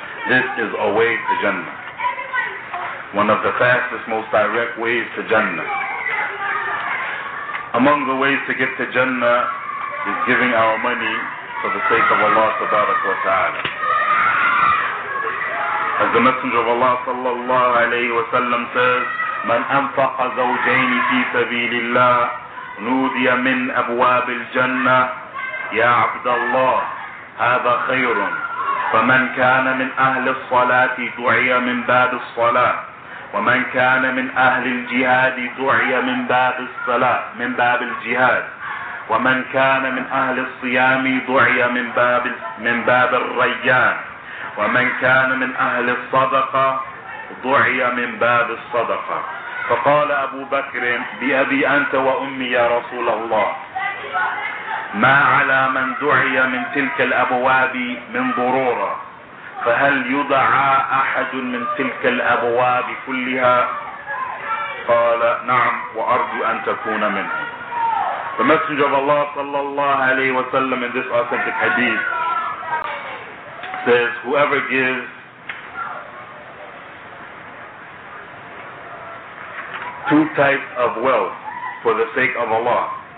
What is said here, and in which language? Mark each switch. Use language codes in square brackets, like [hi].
[en] This is a way to Jannah, one of the fastest, most direct ways to Jannah. Among the ways to get to Jannah is giving our money for the sake of Allah tabarak wa ta'ala. As the Messenger of Allah sallallahu alayhi wa sallam says, [ar] من أنفق زوجين في سبيل الله نودي من أبواب الجنة يا عبد الله هذا خير فمن كان من أهل الصلاة دعي من باب الصلاة ومن كان من أهل الجهاد دعي من باب الصلاة من باب الجهاد ومن كان من أهل الصيام دعي من باب الريان ومن كان من أهل الصدقة دعي من باب الصدقة. فقال أبو بكر بأبي أنت وأمي يا رسول الله ما على من دعي من تلك الأبواب من ضرورة فهل يدعى أحد من تلك الأبواب كلها؟ قال نعم وأرجو أن تكون منهم. [en] The Messenger of Allah sallallahu alayhi wa sallam in this authentic hadith says, whoever gives two types of wealth for the sake of Allah,